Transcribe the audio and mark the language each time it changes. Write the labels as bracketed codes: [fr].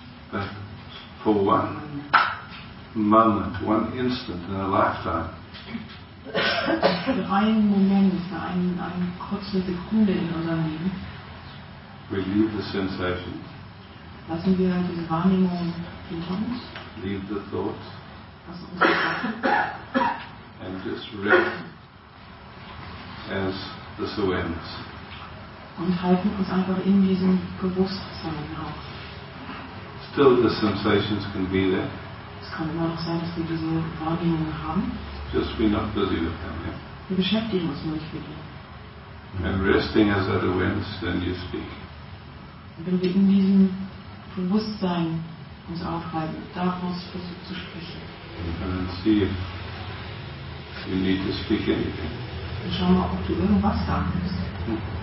[en] But for one moment, one instant in a lifetime. [de] Für einen Moment, für eine kurze Sekunde in unserem Leben. [en] We leave the sensation. [de] Lassen wir diese Wahrnehmung hinter uns. [en] Leave the thoughts. [de] Lassen uns die Gedanken. [en] And just rest as this awareness. [de] Und halten uns einfach in diesem Bewusstsein auf. [en] Still the sensations can be there. [de] Es kann immer noch sein, dass wir diese Wahrnehmungen haben. [en] Just be not busy with them, yeah? [de] Wir beschäftigen uns nur nicht mit ihnen. [en] And resting as that awareness, then you speak. [de] Wenn wir in diesem Bewusstsein uns aufhalten, daraus versucht zu sprechen. [en] And then see if you need to speak anything. [de] Dann schauen wir, ob du irgendwas sagen willst.